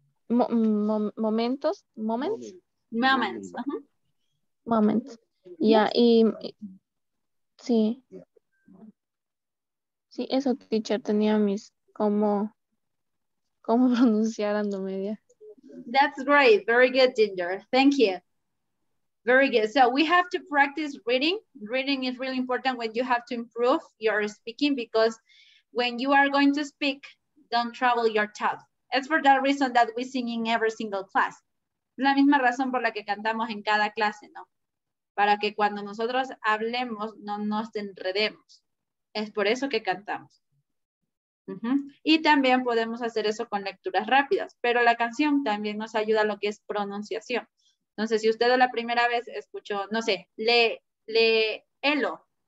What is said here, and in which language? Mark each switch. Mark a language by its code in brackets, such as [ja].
[es] Momentos, moments. [en] Moments. Uh-huh. [es] Moments, yeah, y sí, sí, eso, teacher, tenía mis, cómo pronunciar andomedia. [en] That's great, very good, Ginger, thank you, very good. So we have to practice reading. Reading is really important when you have to improve your speaking, because when you are going to speak, don't travel your tongue. It's for that reason that we sing in every single class. [es] La misma razón por la que cantamos en cada clase, ¿no? Para que cuando nosotros hablemos, no nos enredemos. Es por eso que cantamos. Uh-huh. Y también podemos hacer eso con lecturas rápidas. Pero la canción también nos ayuda a lo que es pronunciación. Entonces, si usted la primera vez escuchó, no sé, lee hello.